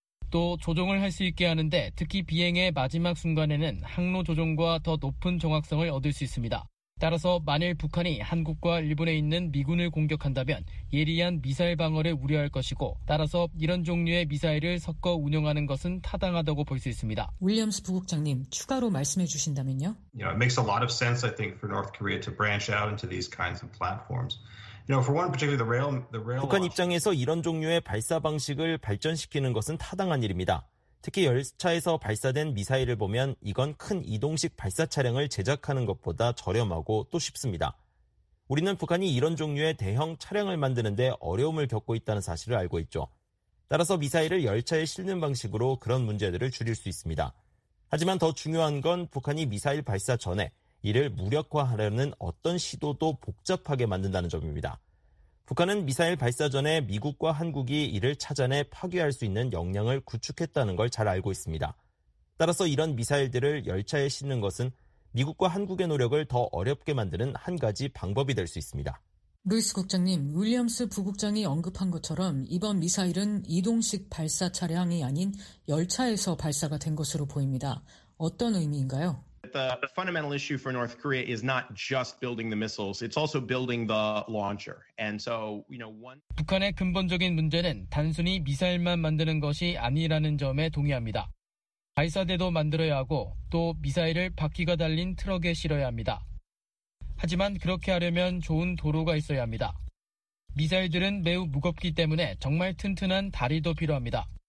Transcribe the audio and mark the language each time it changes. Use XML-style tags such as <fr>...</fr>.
<ko>또 조종을 할 수 있게 하는데 특히 비행의 마지막 순간에는 항로 조종과 더 높은 정확성을 얻을 수 있습니다. 따라서 만일 북한이 한국과 일본에 있는 미군을 공격한다면 예리한 미사일 방어를 우려할 것이고 따라서 이런 종류의 미사일을 섞어 운용하는 것은 타당하다고 볼 수 있습니다. 윌리엄스 부국장님, 추가로 말씀해 주신다면요?</ko> <en>You know, it makes a lot of sense, I think, for North Korea to branch out into these kinds of platforms. You know, for one, particularly the rail</en> <ko>북한 입장에서 이런 종류의 발사 방식을 발전시키는 것은 타당한 일입니다. 특히 열차에서 발사된 미사일을 보면 이건 큰 이동식 발사 차량을 제작하는 것보다 저렴하고 또 쉽습니다. 우리는 북한이 이런 종류의 대형 차량을 만드는데 어려움을 겪고 있다는 사실을 알고 있죠. 따라서 미사일을 열차에 실는 방식으로 그런 문제들을 줄일 수 있습니다. 하지만 더 중요한 건 북한이 미사일 발사 전에 이를 무력화하려는 어떤 시도도 복잡하게 만든다는 점입니다. 북한은 미사일 발사 전에 미국과 한국이 이를 찾아내 파괴할 수 있는 역량을 구축했다는 걸 잘 알고 있습니다. 따라서 이런 미사일들을 열차에 싣는 것은 미국과 한국의 노력을 더 어렵게 만드는 한 가지 방법이 될 수 있습니다. 루이스 국장님, 윌리엄스 부국장이 언급한 것처럼 이번 미사일은 이동식 발사 차량이 아닌 열차에서 발사가 된 것으로 보입니다. 어떤 의미인가요?</ko> <en>The fundamental issue for North Korea is not just building the missiles, it's also building the launcher. And so, you know, one</en> <ko>북한의 근본적인 문제는 단순히 미사일만 만드는 것이 아니라는 점에 동의합니다. 발사대도 만들어야 하고 또 미사일을 바퀴가 달린 트럭에 실어야 합니다. 하지만 그렇게 하려면 좋은 도로가 있어야 합니다. 미사일들은 매우 무겁기 때문에 정말 튼튼한 다리도 필요합니다.</ko>